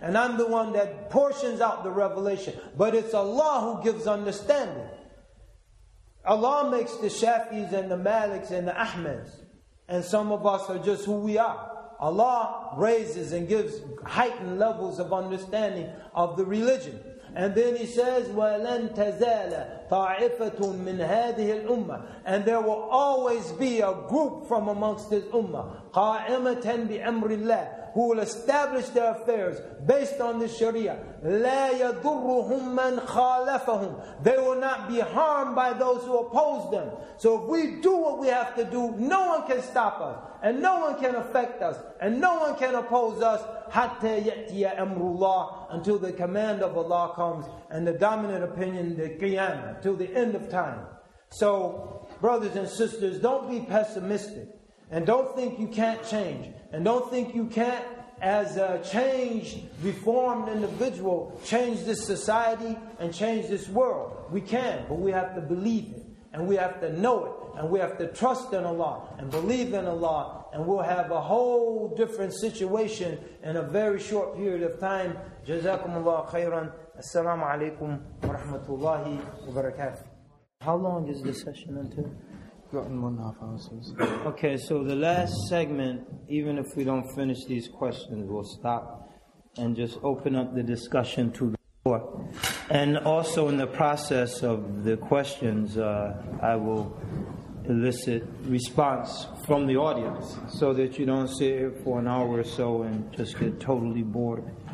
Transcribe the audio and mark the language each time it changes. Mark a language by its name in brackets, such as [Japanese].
[English] And I'm the one that portions out the revelation. But it's Allah who gives understanding. Allah makes the Shafi's and the Malik's and the Ahmed's. And some of us are just who we are. Allah raises and gives heightened levels of understanding of the religion. And then He says, [Arabic] وَلَنْ تَزَالَ طَاعِفَةٌ مِّنْ هَذِهِ الْأُمَّةِ. [English] And there will always be a group from amongst this ummah, [Arabic] قَائِمَةً بِأَمْرِ اللَّهِ, [English] who will establish their affairs based on the Sharia. [Arabic] لَا يَضُرُّهُمْ مَّنْ خَالَفَهُمْ. [English] They will not be harmed by those who oppose them. So if we do what we have to do, no one can stop us, and no one can affect us, and no one can oppose us. [Arabic] حَتَّى يَأْتِيَ أَمْرُ اللَّهِ, [English] until the command of Allah comes, and the dominant opinion, the Qiyamah, till the end of time. So, brothers and sisters, don't be pessimistic. And don't think you can't change. And don't think you can't, as a changed, reformed individual, change this society and change this world. We can, but we have to believe it. And we have to know it. And we have to trust in Allah and believe in Allah. And we'll have a whole different situation in a very short period of time. [Arabic] جزاكم الله خيرا. السلام عليكم ورحمة الله وبركاته. [English] How long is the session until? Got 1.5 hours. Okay, so the last segment, even if we don't finish these questions, we'll stop and just open up the discussion to the floor. And also in the process of the questions, I will elicit response from the audience so that you don't sit here for an hour or so and just get totally bored.